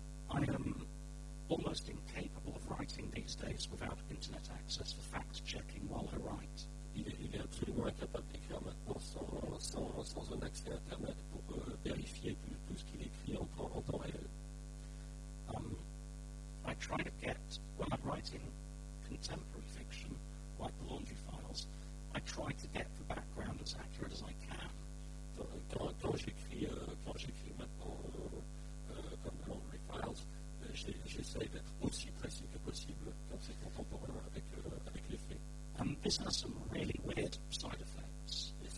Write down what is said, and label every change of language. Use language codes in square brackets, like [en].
[en] I am almost incapable of writing these days without internet access for fact checking while I write. [fr] Il est absolument incapable d'écrire maintenant sans un accès à Internet pour vérifier tout ce qu'il écrit en temps réel. [en] I try to get, when I'm writing contemporary fiction, like the Laundry Files, I try to get the background as accurate as I can. [fr] Quand j'écris maintenant comme Laundry Files, j'essaie d'être aussi précis que possible quand c'est contemporain avec les faits. [en] And this has some really weird side effects.